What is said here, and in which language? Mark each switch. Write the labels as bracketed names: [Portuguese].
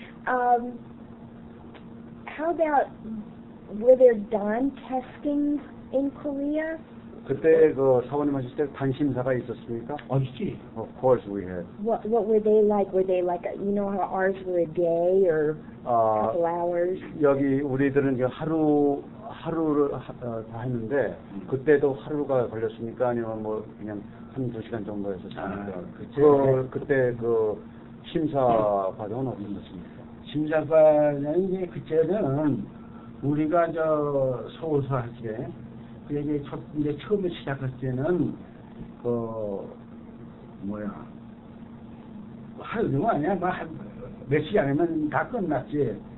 [English] How about, were there Don testings in Korea? [Korean] 그때 그 사원님 하실 때 단심사가 있었습니까? 없지. [English] Of course we had. What were they like? Were they like, you know how ours were a day or a couple hours? [Korean] 여기 우리들은 하루를 다 했는데 그때도 하루가 걸렸습니까? 아니면 뭐 그냥 한두 시간 정도였었습니까? 아, 그렇죠. 그때 그 심사 과정은 어떻습니까? 심사 과정은 이제 그때는 우리가 저 서울서 할 때 이제 처음에 시작할 때는 그 뭐야 하루 아니야 막 몇 시 아니면 다 끝났지.